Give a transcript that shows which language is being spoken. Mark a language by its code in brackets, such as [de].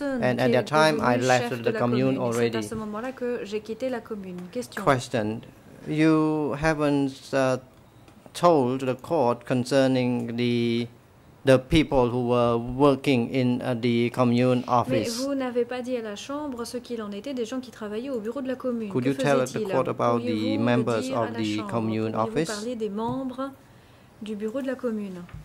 [en] And at that time, I left the commune already. Question. You haven't told the court concerning the people who were working in the commune office. [fr] Mais vous n'avez pas dit à la chambre ce qu'il en était des gens qui travaillaient au bureau de la commune. [en] Could you tell the court about the members of the commune office? [fr] Parler des membres du bureau de la commune.